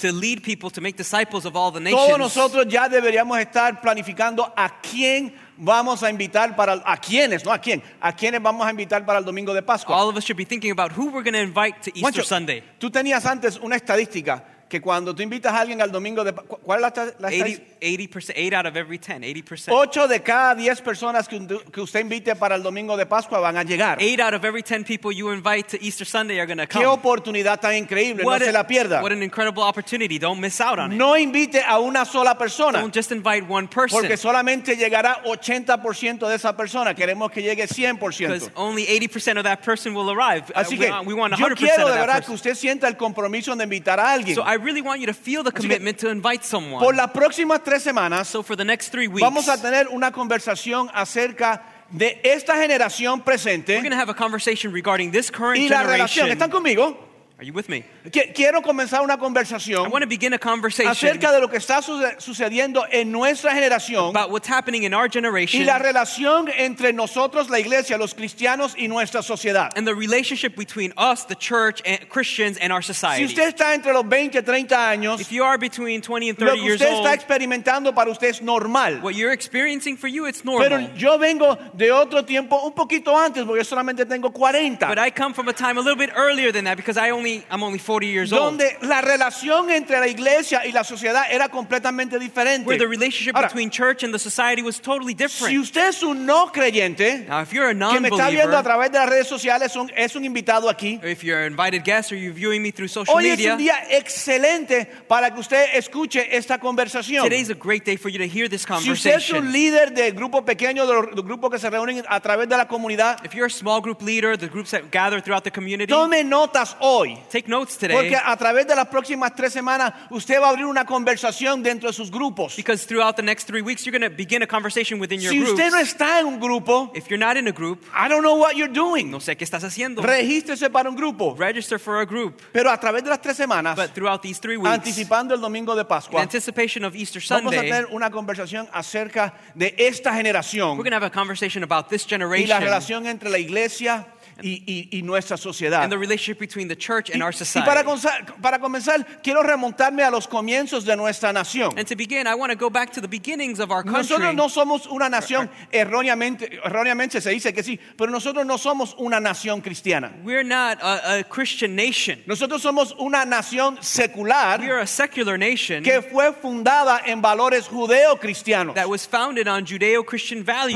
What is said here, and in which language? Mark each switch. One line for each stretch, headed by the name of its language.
English: to lead people, to make disciples of all the nations.
Spanish: Todos nosotros ya deberíamos estar planificando a quién vamos a invitar para, a quiénes, no a quién, a quiénes vamos a invitar para el Domingo de Pascua.
English: All of us should be thinking about who we're going to invite to Easter
Spanish: Juancho,
English: Sunday.
Spanish: Tú tenías antes una estadística. Que cuando tú invitas a alguien al domingo de ¿cuál es la
English: 80%, 8 out of every 10, 80%.
Spanish: 8 de cada 10 personas que usted invite para el domingo de Pascua van a llegar.
English: 8 out of every 10 people you invite to Easter Sunday are going to come.
Spanish: Qué oportunidad tan increíble,
English: what
Spanish: no se la pierda.
English: What an incredible opportunity, don't miss out on it.
Spanish: No invite a una sola persona.
English: Don't just invite one person.
Spanish: Porque solamente llegará 80% de esa persona, queremos que llegue 100%.
English: Because only 80% of that person will arrive.
Spanish: Así que
English: we want 100%
Spanish: yo quiero de verdad que usted sienta el compromiso de invitar a alguien.
English: So I really want you to feel the commitment to invite someone.
Spanish: Por las próximas tres semanas,
English: so for the next 3 weeks,
Spanish: vamos a tener una conversación acerca de esta generación presente.
English: We're going to have a conversation regarding this current
Spanish: y la
English: generation.
Spanish: Relación. ¿Están conmigo?
English: Are you with me?
Spanish: Quiero comenzar una conversación.
English: I want to begin a conversation
Spanish: acerca de lo que está sucediendo en nuestra generación.
English: About what's happening in our generation.
Spanish: Y la relación entre nosotros, la iglesia, los cristianos y nuestra sociedad.
English: And the relationship between us, the church, and Christians, and our society.
Spanish: Si usted está entre los 20 y 30 años,
English: if you are between 20 and 30 years old,
Spanish: lo que usted está experimentando para usted es normal.
English: What you're experiencing for you, it's normal.
Spanish: Pero yo vengo de otro tiempo un poquito antes, porque yo solamente tengo 40.
English: But I come from a time a little bit earlier than that because I'm only 40 years old.
Spanish: Donde la relación entre la iglesia y la sociedad era completamente diferente.
English: Where the relationship
Spanish: ahora,
English: between church and the society was totally different.
Spanish: Si usted es un no creyente,
English: now if you're a non-believer,
Spanish: que me está viendo a través de las redes sociales, es un invitado aquí.
English: Or if you're an invited guest or you're viewing me through social
Spanish: hoy
English: media.
Spanish: Hoy es un día excelente para que usted escuche esta conversación.
English: Today is a great day for you to hear this conversation.
Spanish: Si usted es un líder de grupo pequeño, de los grupos que se reúnen a través de la comunidad,
English: if you're a small group leader, the groups that gather throughout the community,
Spanish: tome notas hoy.
English: Take notes today.
Spanish: Porque a través de las próximas tres semanas usted va a abrir una conversación dentro de sus grupos.
English: Because throughout the next 3 weeks you're going to begin a conversation within your groups.
Spanish: Si usted no está en un grupo,
English: if you're not in a group, I don't know what you're doing.
Spanish: No sé qué estás haciendo. Regístrese para un grupo.
English: Register for a group.
Spanish: Pero a través de las tres semanas,
English: but throughout these 3 weeks,
Spanish: anticipando el domingo de Pascua,
English: in anticipation of Easter Sunday,
Spanish: vamos a tener una conversación acerca de esta generación.
English: We're going to have a conversation about this generation.
Spanish: Y la relación entre la iglesia y nuestra sociedad.
English: And the relationship between the church and our society.
Spanish: Y para comenzar, quiero remontarme a los comienzos de nuestra nación.
English: And to begin, I want to go back to the beginnings of our country.
Spanish: Nosotros no somos una nación erróneamente se dice que sí, pero nosotros no somos una nación cristiana.
English: We're not a Christian nation.
Spanish: Nosotros somos una nación secular.
English: We are a secular nation.
Spanish: Que fue fundada en valores judeo-cristianos.
English: That was founded on Judeo-Christian values.